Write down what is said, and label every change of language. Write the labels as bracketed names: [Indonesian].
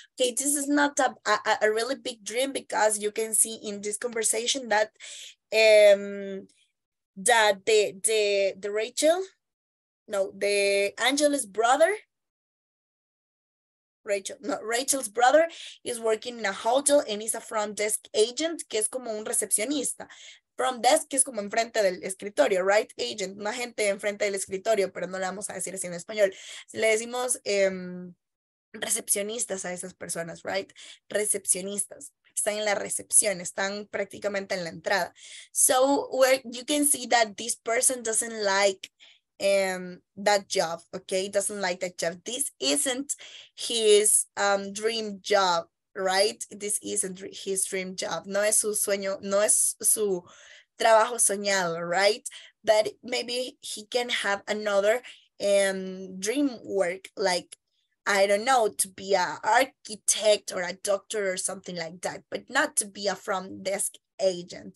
[English] Okay, this is not a really big dream because you can see in this conversation that the Rachel, no, the Angela's brother, Rachel's brother is working in a hotel and is a front desk agent, [Spanish] que es como un recepcionista. Front desk es como enfrente del escritorio, right? Agent, una gente enfrente del escritorio, pero no le vamos a decir así en español. Le decimos recepcionistas a esas personas, right? Recepcionistas. Están en la recepción, están prácticamente en la entrada. [English] So where you can see that this person doesn't like that job, okay? Doesn't like that job. This isn't his dream job, right? This isn't his dream job. [Spanish] No es su sueño, no es su trabajo soñado, right? [English] But maybe he can have another dream work, like, I don't know, to be an architect or a doctor or something like that, but not to be a front desk agent.